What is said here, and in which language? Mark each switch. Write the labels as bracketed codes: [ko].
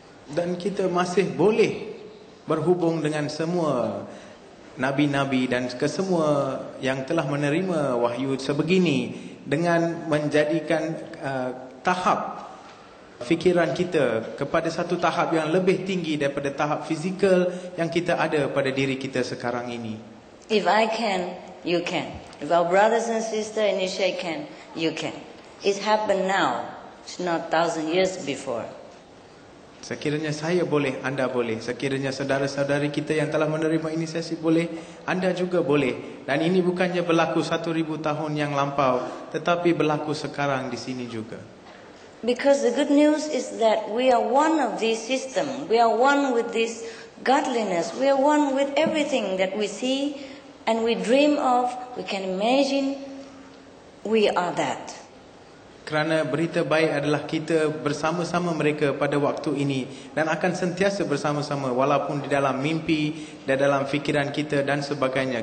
[ms] Dan kita masih boleh berhubung dengan semua nabi-nabi dan kesemua yang telah menerima wahyu sebegini dengan menjadikan tahap fikiran kita kepada satu tahap yang lebih tinggi daripada tahap fizikal yang kita ada pada diri kita sekarang ini. [en] If I can, you can. If our brothers and sisters initiate can, you can. It's happened now. It's not thousand years before. [ms] Sekiranya saya boleh, anda boleh. Sekiranya saudara-saudari kita yang telah menerima inisiasi boleh, anda juga boleh. Dan ini bukannya berlaku 1,000 tahun yang lampau, tetapi berlaku sekarang di sini juga. [en] Because the good news is that we are one of this system. We are one with this godliness. We are one with everything that we see and we dream of, we can imagine, we are that. [ms] Kerana berita baik adalah kita bersama-sama mereka pada waktu ini dan akan sentiasa bersama-sama walaupun di dalam mimpi, di dalam fikiran kita dan sebagainya.